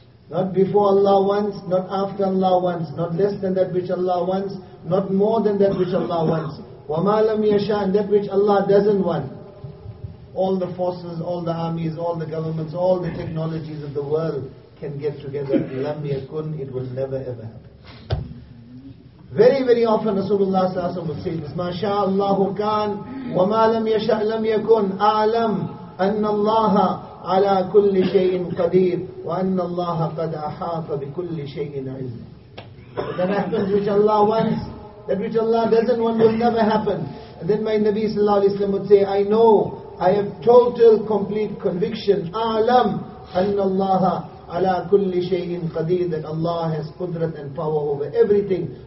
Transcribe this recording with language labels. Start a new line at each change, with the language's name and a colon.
English: Not before Allah once, not after Allah once, not less than that which Allah wants, not more than that which Allah wants.
Arabic: وَمَا لَمْ يَشَاءَ,
English: that which Allah doesn't want. All the forces, all the armies, all the governments, all the technologies of the world can get together.
Arabic: لَمْ يَكُنْ,
English: it will never ever happen. Very, very often Rasulullah صلى الله عليه وسلم would say this,
Arabic: مَا شَاءَ اللَّهُ كَانْ وَمَا لَمْ يَشَاءَ لَمْ يَكُنْ أَعْلَمْ أَنَّ اللَّهَ عَلَىٰ كُلِّ شَيْءٍ قَدِيرٍ وَأَنَّ اللَّهَ قَدْ أَحَاطَ بِكُلِّ شَيْءٍ عِلْمٍ.
English: That happens which Allah wants. That which Allah doesn't want will never happen. And then my Nabi sallallahu alayhi wa sallam would say, I know, I have total complete conviction,
Arabic: أَعْلَمْ أَنَّ اللَّهَ عَلَىٰ كُلِّ شَيْءٍ قَدِيرٍ,
English: that Allah has qudrat and power over everything.